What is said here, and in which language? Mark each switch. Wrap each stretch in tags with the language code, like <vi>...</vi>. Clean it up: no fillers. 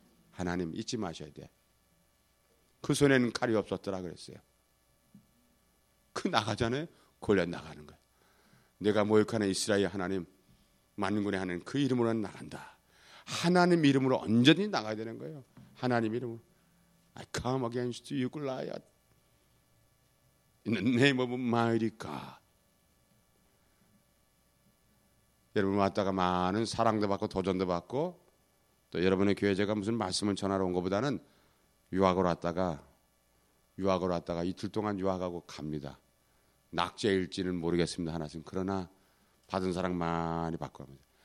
<ko>하나님 잊지 마셔야 돼. 그 손에는 칼이 없었더라 그랬어요. 그 나가잖아요. 골리앗 나가는 거야. 내가 모욕하는 이스라엘 하나님, 만군의 하나님 그 이름으로는 나간다. 하나님 이름으로 언제든지 나가야 되는 거예요. 하나님 이름으로.</ko> <en>I come against you, Goliath. In the name of mighty God.</en> <ko>여러분 왔다가 많은 사랑도 받고 도전도 받고 또 여러분의 교회 제가 무슨 말씀을 전하러 온 것보다는 유학을 왔다가 이틀 동안 유학하고 갑니다. 낙제일지는 모르겠습니다. 하나님. 그러나 받은 사랑 많이 받고 갑니다.</ko>